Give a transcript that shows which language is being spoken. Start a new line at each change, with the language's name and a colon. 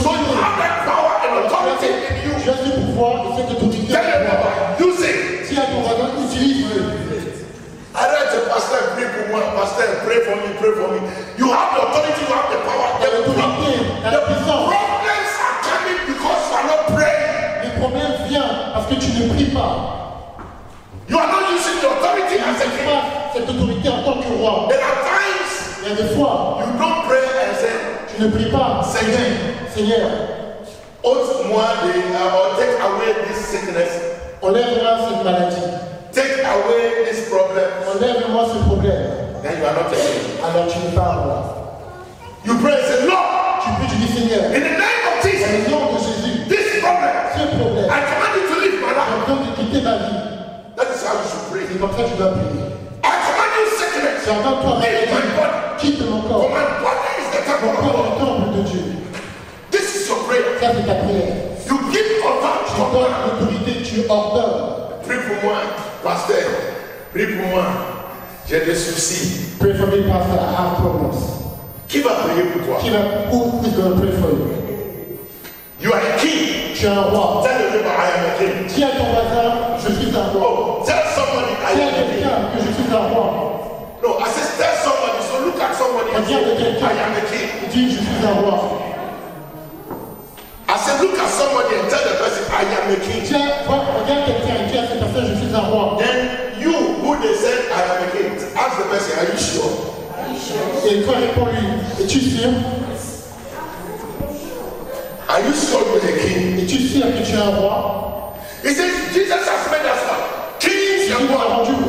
English: so you have that power and authority in you.
French: Tu as du pouvoir et cette autorité.
English: Tell him about it. Use it.
French: Si à ton raison, utilise-le.
English: Pastor, pray for me. You have the authority, you have the power. The problems are coming because you are not praying.
French: Les problèmes viennent parce que tu ne pries pas.
English: You are not using the authority as a king.
French: Cette autorité en tant que roi.
English: There are times.
French: Il y a des fois.
English: You don't pray and say.
French: Tu ne pries pas.
English: Seigneur, take away this sickness.
French: Enlève-moi cette maladie.
English: Take away this problem.
French: Enlève-moi ce problème.
English: Then you are not a king.
French: Alors tu ne parles pas.
English: You pray and say, Lord.
French: Tu dis, Seigneur.
English: In the name of Jesus.
French: Dans le nom de Jésus.
English: This problem.
French: Ce problème.
English: I command it
French: comme ça tu dois prier.
English: I command you sickness.
French: J'entends toi,
English: leave my body.
French: Quitte mon corps.
English: For my body is the temple.
French: Mon corps est le temple de Dieu.
English: This is your prayer.
French: Ça c'est ta prière.
English: You give command.
French: Tu donnes l'autorité, tu ordonnes. Prie pour moi, pasteur. Prie pour moi. J'ai des soucis.
English: Pray for me, pastor. I have problems.
French: Qui va prier pour toi? Qui va,
English: who is going to pray for you? You are a king.
French: Tu es un roi.
English: Tell your neighbor, I am a king.
French: Dis à ton voisin, je suis un roi.
English: Oh, tell somebody, I am a king.
French: Dis à quelqu'un que je suis un roi.
English: No, I said, tell somebody. So look at somebody and say, I am a king.
French: Dis, je suis un roi.
English: I said, look at somebody and tell the person, I am a king.
French: Regarde quelqu'un et dis à cette personne, je suis un roi.
English: Then you, who they said, I am a king, ask the person, are you sure?
French: Et toi réponds-lui, es-tu sûr?
English: Are you sure you're a king?
French: Es-tu sûr que tu es un roi?
English: He says, Jesus has made us kings and